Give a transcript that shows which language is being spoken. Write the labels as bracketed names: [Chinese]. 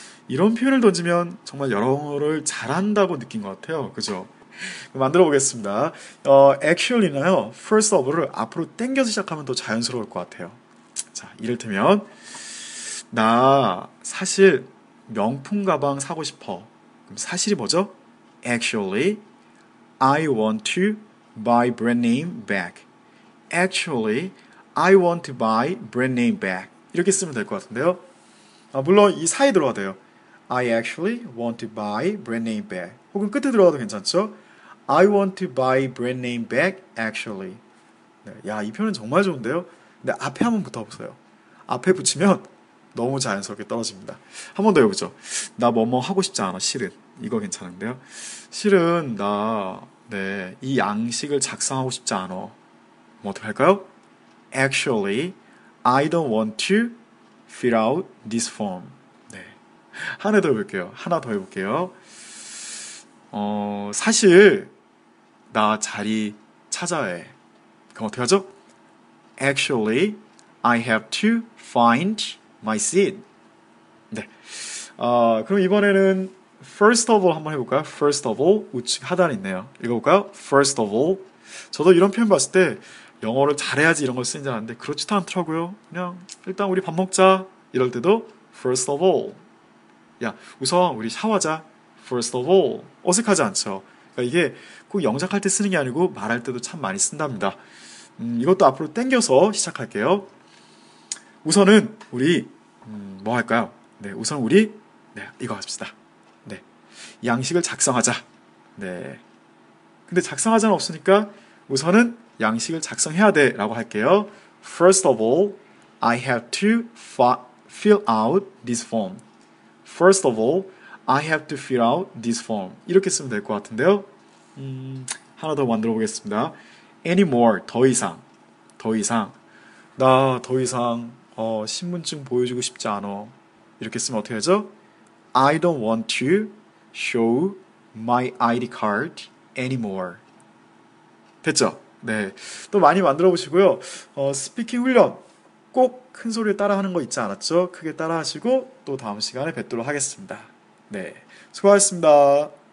[Korean] 이런 표현을 던지면 정말 여러 거를 잘한다고 느낀 것 같아요. 그죠? 만들어 보겠습니다. actually나요. first of를 앞으로 당겨서 시작하면 더 자연스러울 것 같아요. 자, 이를테면 나 사실 명품 가방 사고 싶어. 그럼 사실이 뭐죠? [English] Actually, I want to buy brand name bag. Actually, I want to buy brand name bag. [Korean] 이렇게 쓰면 될 것 같은데요. 아, 물론 이 사이 들어가도 돼요. [English] I actually want to buy brand name bag. [Korean] 혹은 끝에 들어가도 괜찮죠? [English] I want to buy brand name bag actually. [Korean] 네, 야, 이 표현은 정말 좋은데요. 근데 앞에 한번 붙어보세요. 앞에 붙이면 너무 자연스럽게 떨어집니다. 한 번 더 해보죠. 나 뭐뭐 하고 싶지 않아, 실은. 이거 괜찮은데요. 실은 나 네, 이 양식을 작성하고 싶지 않아. 뭐 어떻게 할까요? [English] Actually, I don't want to fill out this form. [Korean] 네, 하나 더 해볼게요. 하나 더 해볼게요. 사실 나 자리 찾아야 해. 그럼 어떻게 하죠? [English] Actually, I have to find My seat. [Korean] 네. 그럼 이번에는 first of all 한번 해볼까요? First of all 우측 하단 있네요. 읽어볼까요? First of all. 저도 이런 표현 봤을 때 영어를 잘해야지 이런 걸 쓰는 줄 알았는데 그렇지도 않더라고요. 그냥 일단 우리 밥 먹자 이럴 때도 first of all. 야, 우선 우리 샤워하자. First of all. 어색하지 않죠? 그러니까 이게 꼭 영작할 때 쓰는 게 아니고 말할 때도 참 많이 쓴답니다. 이것도 앞으로 땡겨서 시작할게요. 우선은 우리 뭐 할까요? 네, 우선 우리 네, 이거 합시다. 양식을 작성하자. 네. 근데 작성하자는 없으니까 우선은 양식을 작성해야 돼라고 할게요. [English] First of all, I have to fill out this form. First of all, I have to fill out this form. [Korean] 이렇게 쓰면 될것 같은데요. 하나 더 만들어 보겠습니다. Anymore, 더 이상. 더 이상. 나더 이상 신분증 보여주고 싶지 않아. 이렇게 쓰면 어떻게 하죠? [English] I don't want to show my ID card anymore. [Korean] 됐죠? 네. 또 많이 만들어 보시고요. 스피킹 훈련. 꼭큰 소리를 따라 하는 거 있지 않았죠? 크게 따라 하시고 또 다음 시간에 뵙도록 하겠습니다. 네. 수고하셨습니다.